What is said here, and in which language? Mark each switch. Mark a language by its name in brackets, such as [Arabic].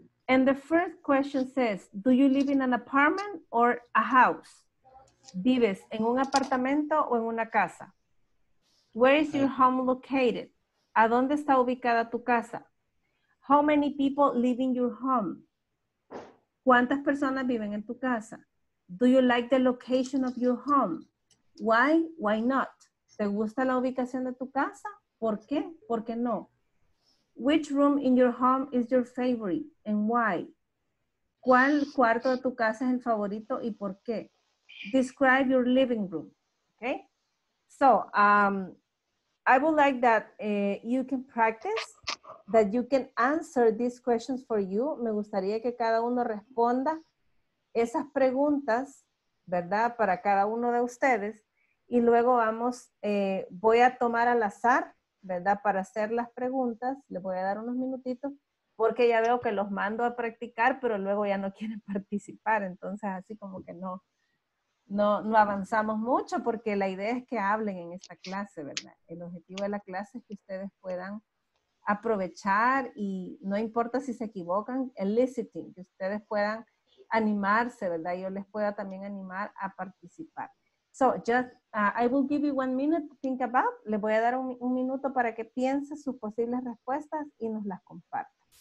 [English] And the first question says, do you live in an apartment or a house? [Spanish] ¿Vives en un apartamento o en una casa? [English] Where is your home located? [Spanish] ¿A dónde está ubicada tu casa? [English] How many people live in your home? [Spanish] ¿Cuántas personas viven en tu casa? [English] Do you like the location of your home? Why? Why not? [Spanish] ¿Te gusta la ubicación de tu casa? ¿Por qué? ¿Por qué no? [English] Which room in your home is your favorite and why? [Spanish] ¿Cuál cuarto de tu casa es el favorito y por qué? [English] Describe your living room. Okay? So, I would like that you can practice, that you can answer these questions for you. [Spanish] Me gustaría que cada uno responda esas preguntas, ¿verdad? Para cada uno de ustedes. Y luego vamos, voy a tomar al azar, ¿verdad? Para hacer las preguntas. Les voy a dar unos minutitos porque ya veo que los mando a practicar, pero luego ya no quieren participar. Entonces, así como que no. No avanzamos mucho porque la idea es que hablen en esta clase, ¿verdad? El objetivo de la clase es que ustedes puedan aprovechar y no importa si se equivocan, eliciting, que ustedes puedan animarse, ¿verdad? Yo les pueda también animar a participar. [English] So, just, I will give you 1 minute to think about. [Spanish] Les voy a dar un minuto para que piense sus posibles respuestas y nos las comparta.